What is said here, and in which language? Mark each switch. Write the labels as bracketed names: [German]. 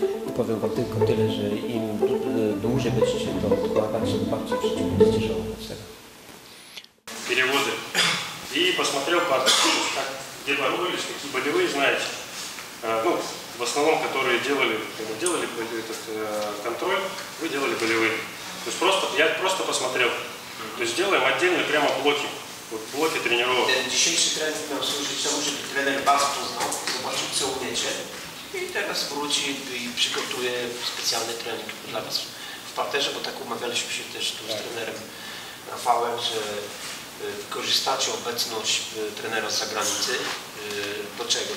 [Polish] I powiem wam tylko tyle, że im dłużej będziecie to odkładać, tym bardziej w życiu będziecie żałować tego. [Russian] Перевозы. И посмотрел партию, как, где боролись, какие болевые, знаете. Ну, в основном, которые делали этот контроль, вы делали болевые. То есть просто, я просто посмотрел. То есть делаем отдельные прямо блоки. Вот блоки тренировок. [Polish] Ten dzisiejszy trening miał służyć temu, żeby trener was poznał, zobaczył, co umiecie. I teraz wróci i przygotuje specjalny trening dla was w parterze, bo tak umawialiśmy się też tu z trenerem Rafałem, że wykorzystacie obecność trenera z zagranicy. Do czego?